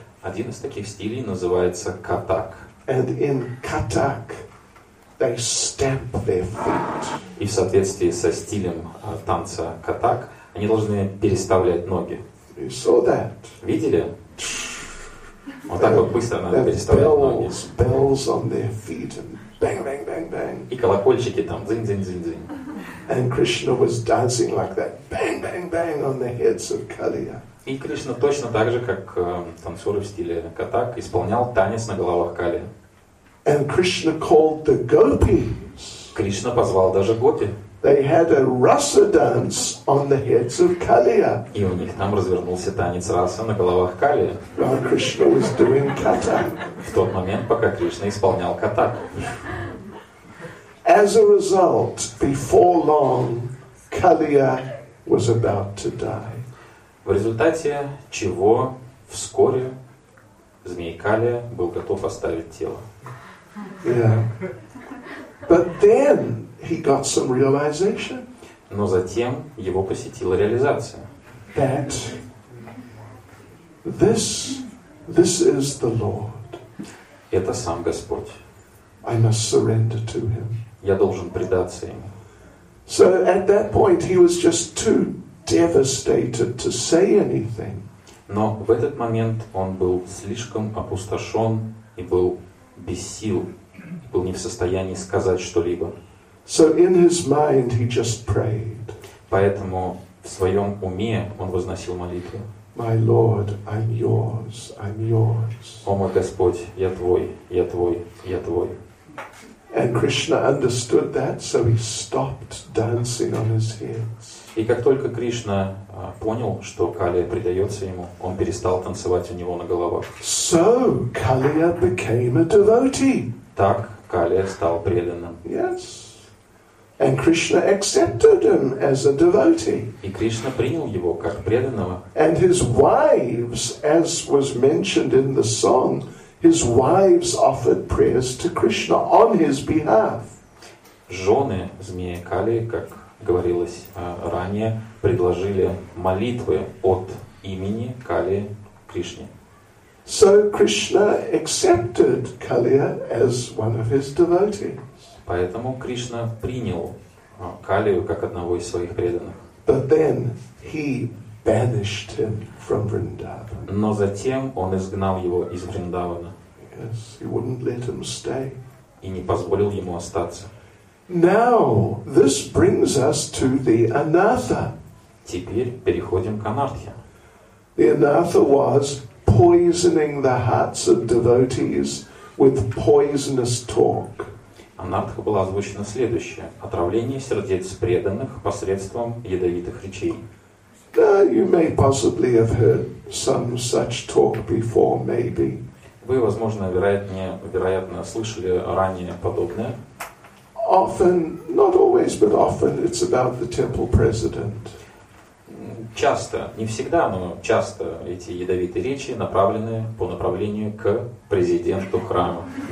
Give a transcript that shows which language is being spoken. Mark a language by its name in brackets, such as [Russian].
[Russian] Один из таких стилей называется Катак. [English] And in Katak, they stamp their feet. [Russian] И в соответствии со стилем танца Катак, они должны переставлять ноги. [English] You saw that? [Russian] Видели? Вот так вот быстро надо переставлять ноги. [English] Bells on their feet and bang, bang, bang, bang. [Russian] И колокольчики там, дзынь-дзынь-дзынь-дзынь. [English] And Krishna was dancing like that, bang, bang, bang, on the heads of Kaliya. [Russian] И Кришна точно так же, как танцоры в стиле Катак, исполнял танец на головах Кали. [English] And Krishna called the gopis. [Russian] Кришна позвал даже гопи. [English] They had a rasa dance on the heads of Kaliya. [Russian] И у них там развернулся танец раса на головах Кали. [English] While Krishna was doing Katak. [Russian] В тот момент, пока Кришна исполнял Катак. [English] As a result, before long, Kaliya was about to die. [Russian] В результате чего вскоре змей Калия был готов оставить тело. [English] Yeah. But then he got some realization. [Russian] Но затем его посетила реализация. [English] That this is the Lord. [Russian] Это сам Господь. [English] I must surrender to him. [Russian] Я должен предаться ему. [English] So at that point he was just too devastated to say anything. [Russian] Но в этот момент он был слишком опустошен и был без сил, был не в состоянии сказать что-либо. [English] So in his mind he just prayed. [Russian] Поэтому в своем уме он возносил молитву. [English] My Lord, I'm yours, I'm yours. [Russian] О мой Господь, я твой, я твой, я твой. [English] And Krishna understood that, so he stopped dancing on his heels. [Russian] И как только Кришна понял, что Калия предается ему, он перестал танцевать у него на головах. [English] So Kaliya became a devotee. [Russian] Так Калия стал преданным. [English] Yes. And Krishna accepted him as a devotee. [Russian] И Кришна принял его как преданного. [English] And his wives, as was mentioned in the song, his wives offered prayers to Krishna on his behalf. [Russian] жены змеи Кали, как говорилось ранее, предложили молитвы от имени Кали Кришне. [English] So Krishna accepted Kaliya as one of his devotees. [Russian] Поэтому Кришна принял Калию как одного из своих преданных. [English] But then he banished him from Vrindavan. [Russian] Но затем он изгнал его из Вриндавана. [English] Yes, he wouldn't let him stay. [Russian] И не позволил ему остаться. [English] Now this brings us to the Anatha. [Russian] Теперь переходим к Анартхе. [English] The Anatha was poisoning the hearts of devotees with poisonous talk. [Russian] Анартха была озвучена следующее: отравление сердец преданных посредством ядовитых речей. [English] You may possibly have heard some such talk before, maybe. [Russian] Вы, возможно, вероятно слышали ранее подобное. [English] Often, not always, but often it's about the temple president. [Russian] Часто, не всегда, но часто эти ядовитые речи направлены по направлению к президенту храма.